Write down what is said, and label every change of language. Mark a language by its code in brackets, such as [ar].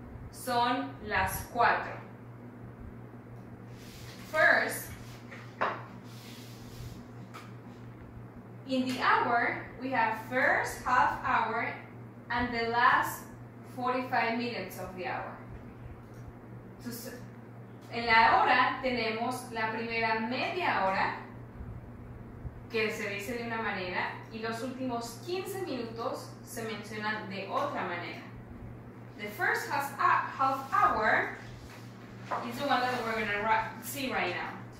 [es] Son las cuatro. [en] First, in the hour, we have first half hour and the last 45 minutes of the hour. [es] En la hora tenemos la primera media hora, que se dice de una manera, y los últimos 15 minutos se mencionan de otra manera. [en] The first half hour is the one that we're going to see right now.